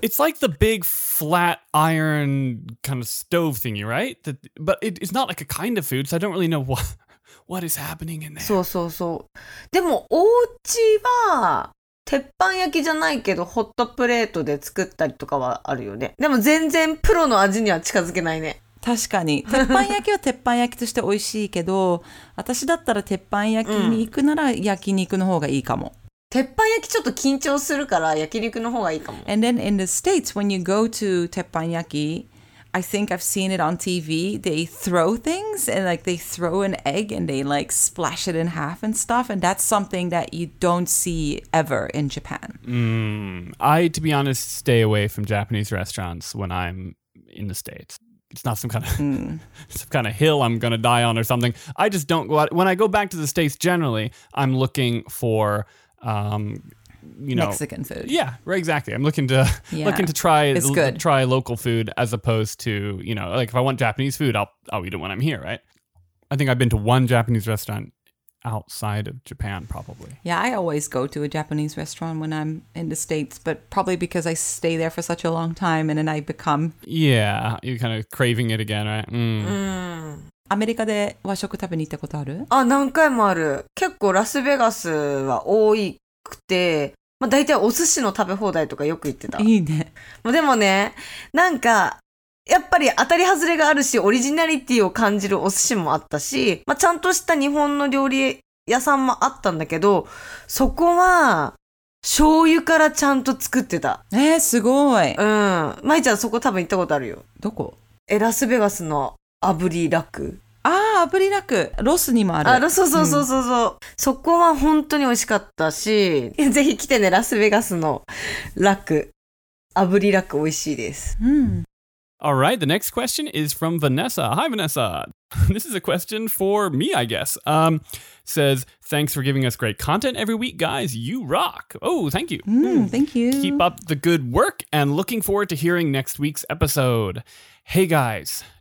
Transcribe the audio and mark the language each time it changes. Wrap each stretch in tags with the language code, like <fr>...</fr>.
<en>It's like the big flat iron kind of stove thingy, right? But it's not like a kind of food, so I don't really know what is happening in there.</en> <ja>そうそうそう。でもお家は鉄板焼きじゃないけどホットプレートで作ったりとかはあるよね。でも全然プロの味には近づけないね。確かに。鉄板焼きは鉄板焼きとして美味しいけど、私だったら鉄板焼きに行くなら焼肉の方がいいかも。鉄板焼きちょっと緊張するから焼肉の方がいいかも。</ja> <en>And then in the States, when you go to 鉄板焼き、I think I've seen it on TV, they throw things, and like they throw an egg and they like splash it in half and stuff, and that's something that you don't see ever in Japan. I, to be honest, stay away from Japanese restaurants when I'm in the States. It's not some kind of hill I'm going to die on or something. I just don't go out. When I go back to the States, generally, I'm looking for, you know. Mexican food. Yeah, right, exactly. I'm looking to try local food as opposed to, you know, like if I want Japanese food, I'll eat it when I'm here, right? I think I've been to one Japanese restaurant outside of Japan, probably. Yeah, I always go to a Japanese restaurant when I'm in the States, but probably because I stay there for such a long time and then I become... Yeah, you're kind of craving it again, right? Mm. Mm.</en> <ja>アメリカで和食食べに行ったことある？あ、何回もある。結構ラスベガスは多くて、まあ、大体お寿司の食べ放題とかよく言ってた。いいね。まあ、でもね、なんか、やっぱり当たり外れがあるし、オリジナリティを感じるお寿司もあったし、まあ、ちゃんとした日本の料理屋さんもあったんだけど、そこは、醤油からちゃんと作ってた。すごい。うん。まいちゃんそこ多分行ったことあるよ。どこ？え、ラスベガスの炙りラク。ああ、炙りラク。ロスにもある。あ、そうそうそうそうそう、うん。そこは本当に美味しかったし、ぜひ来てね、ラスベガスのラク。炙りラク美味しいです。うん。</ja> <en>All right, the next question is from Vanessa. Hi, Vanessa. This is a question for me, I guess. Says, thanks for giving us great content every week, guys. You rock. Oh, thank you. Thank you. Keep up the good work and looking forward to hearing next week's episode. Hey, guys.</en>